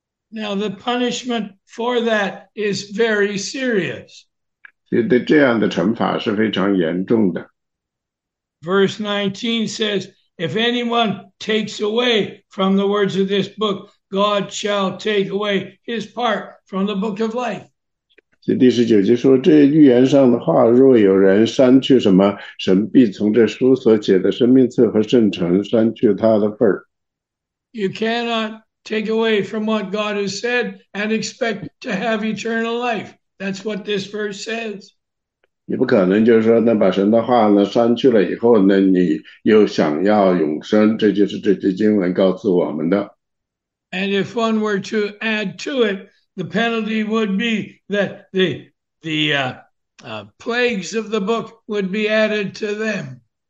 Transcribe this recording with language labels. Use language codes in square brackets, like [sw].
[en] Now, the punishment for that is very serious. Verse 19 says, if anyone takes away from the words of this book, God shall take away his part from the book of life. [zh] 第19节说，这预言上的话，若有人删去什么，神必从这书所写的生命册和圣城删去他的份儿。You [en] cannot take away from what God has said and expect to have eternal life. That's what this verse says. [zh] 你不可能就是说，那把神的话呢删去了以后呢，你又想要永生？这就是这些经文告诉我们的。And [en] if one were to add to it, the penalty would be that the plagues of the book would be added to them.